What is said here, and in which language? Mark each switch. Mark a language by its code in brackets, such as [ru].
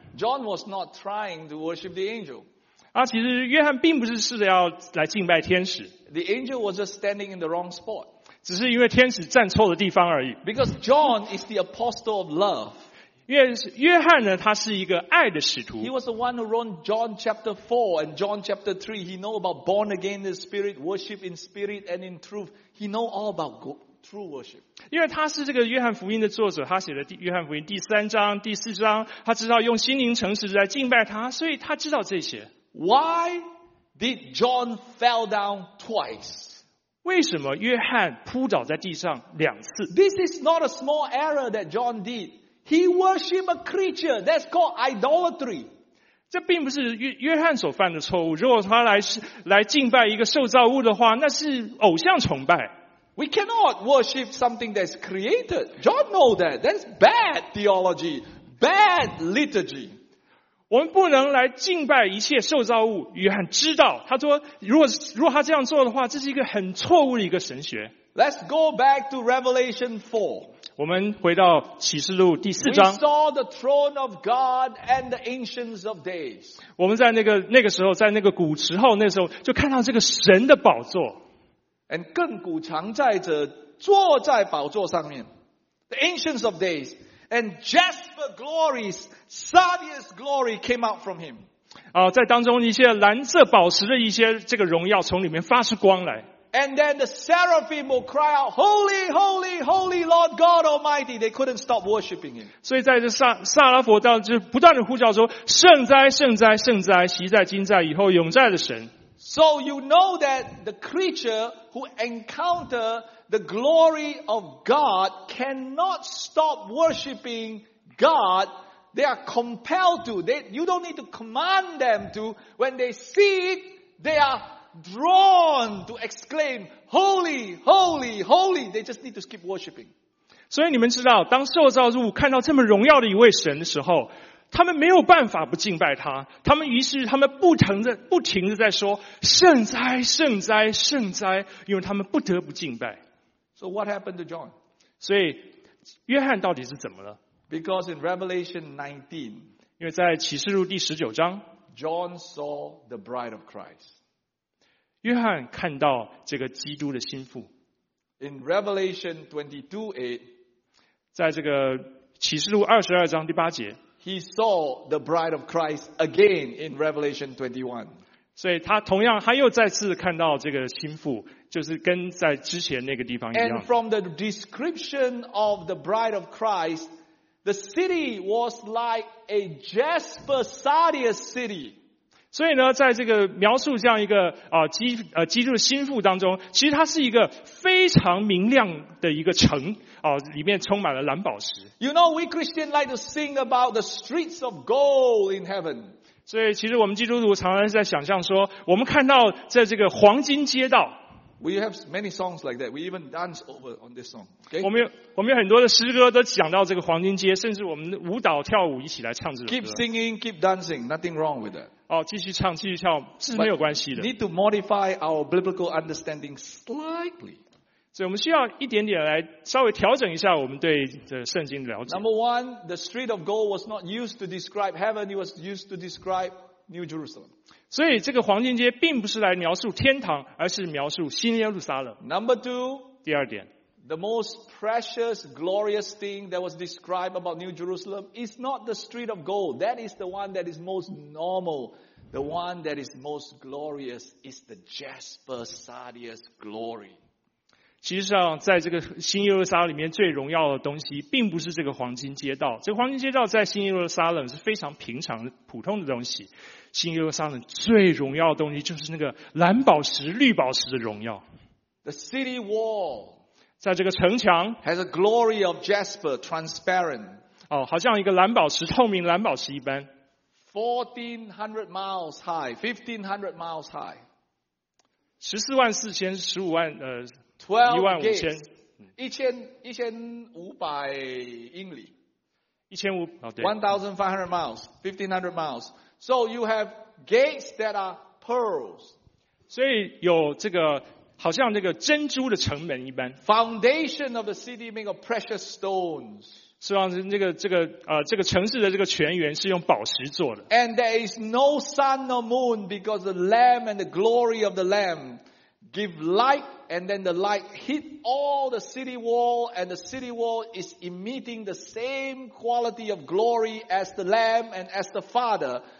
[en] John was not trying to worship the angel. [zh] 其实约翰并不是试着要来敬拜天使。 [en] The angel was just standing in the wrong spot. [zh] 只是因为天使站错了地方而已。 [en] Because John is the apostle of love. [zh] 约翰呢，他是一个爱的使徒。 [en] He was the one who wrote John chapter 4 and John chapter 3. He knows about born again in the spirit, worship in spirit and in truth. He knows all about God. True worship. [zh] 因为他是这个约翰福音的作者，他写的约翰福音第三章、第四章，他知道用心灵诚实来敬拜他，所以他知道这些。 [en] Why did John fell down twice? [zh] 为什么约翰扑倒在地上两次？ [en] This is not a small error that John did. He worshipped a creature that's called idolatry. [zh] 这并不是约翰所犯的错误。如果他来敬拜一个受造物的话，那是偶像崇拜。 [en] We cannot worship something that's created. John know that. That's bad theology. Bad liturgy. [zh] 我们不能来敬拜一切受造物。约翰知道，他说如果他这样做的话，这是一个很错误的一个神学。 [en] Let's go back to Revelation 4. [zh] 我们回到启示录第四章。 [en] We saw the throne of God and the ancients of days. [zh] 我们在那个时候，在那个古时候，那时候就看到这个神的宝座。 And 亘古常在者坐在宝座上面。 [en] The ancients of days. And jasper glories, sardius glory came out from him. [zh] 在当中一些蓝色宝石的一些这个荣耀从里面发出光来。 [en] And then the seraphim will cry out, Holy, holy, holy Lord God Almighty. They couldn't stop worshipping him. [zh] 所以在这萨拉佛当中就不断的呼叫说，圣哉，圣哉，圣哉，昔在，今在，以后永在的神。 [en] So you know that the creature who encounter the glory of God cannot stop worshipping God. They are compelled to. You don't need to command them to. When they see it, they are drawn to exclaim, Holy, holy, holy. They just need to keep worshipping. [zh] 所以你们知道，当受造物看到这么荣耀的一位神的时候，他们没有办法不敬拜他，他们于是他们不停地在说圣哉圣哉圣哉，因为他们不得不敬拜。 [en] So what happened to John? [zh] 所以约翰到底是怎么了？ [en] Because in Revelation 19, [zh] 因为在启示录第十九章， [en] John saw the bride of Christ. [zh] 约翰看到这个基督的心腹。 [en] In Revelation 22:8, [zh] 在这个启示录二十二章第八节。 [en] He saw the bride of Christ again in Revelation 21. [zh] 所以他同样他又再次看到这个新妇，就是跟在之前那个地方一样。 [en] And from the description of the bride of Christ, the city was like a jasper sardius city. [zh] 所以呢，在这个描述这样一个基督的心腹当中，其实它是一个非常明亮的一个城里面充满了蓝宝石。 [en] You know, we Christians like to sing about the streets of gold in heaven. [zh] 所以其实我们基督徒常常是在想象说，我们看到在这个黄金街道。 [en] We have many songs like that. We even dance over on this song. Okay? [zh] 我们有很多的诗歌都讲到这个黄金街，甚至我们舞蹈跳舞一起来唱这个歌。 [en] Keep singing, keep dancing. Nothing wrong with that. [zh] 继续唱，是没有关系的。 [en] Need to modify our biblical understanding slightly. [zh] 所以我们需要一点点来稍微调整一下我们对这圣经的了解。 [en] Number one, the street of gold was not used to describe heaven; it was used to describe New Jerusalem. [zh] 所以这个黄金街并不是来描述天堂，而是描述新耶路撒冷。 [en] Number two, [zh] 第二点 [en] ，the most precious, glorious thing that was described about New Jerusalem is not the street of gold. That is the one that is most normal. The one that is most glorious is the Jasper Sardius glory. [zh] 其实上在这个新耶路撒冷里面最荣耀的东西并不是这个黄金街道。这个黄金街道在新耶路撒冷是非常平常普通的东西。新耶路撒冷最荣耀的东西就是那个蓝宝石绿宝石的荣耀。 [en] The city wall [zh] 在这个城墙 [en] has a glory of Jasper transparent. [zh] 哦，好像一个蓝宝石透明蓝宝石一般。 [en] 1400 miles high, 1500 miles high. 144,000, 15,000, [zh] 15,000. 1500英里。 [en] 1500 miles, 1500 miles. So you have gates that are pearls. [zh] 所以有这个好像这个珍珠的城门一般。 [en] Foundation of the city made of precious stones. [zh] 是让这个城市的这个泉源是用宝石做的。 [en] And there is no sun nor moon because the Lamb and the glory of the Lamb give light, and then the light hit all the city wall, and the city wall is emitting the same quality of glory as the Lamb and as the Father.